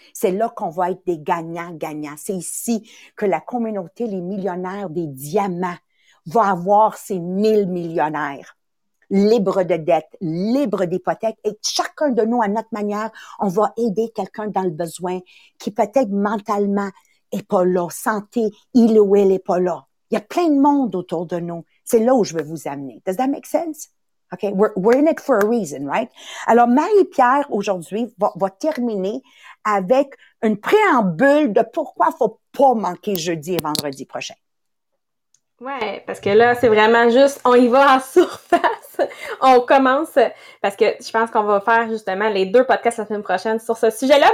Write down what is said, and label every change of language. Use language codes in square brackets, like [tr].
[fr] C'est là qu'on va être des gagnants-gagnants. C'est ici que la communauté, les millionnaires des diamants, va avoir ces 1000 millionnaires libres de dettes, libres d'hypothèques. Et chacun de nous, à notre manière, on va aider quelqu'un dans le besoin qui peut-être mentalement est pas là, santé, il ou elle est pas là. Il y a plein de monde autour de nous. C'est là où je veux vous amener. [en] Does that make sense? Okay, we're in it for a reason, right? [fr] Alors, Marie-Pierre, aujourd'hui, va terminer avec une préambule de pourquoi il ne faut pas manquer jeudi et vendredi prochain. Ouais, parce que là, c'est vraiment juste, on y va en surface. On commence, parce que je pense qu'on va faire justement les deux podcasts la semaine prochaine sur ce sujet-là.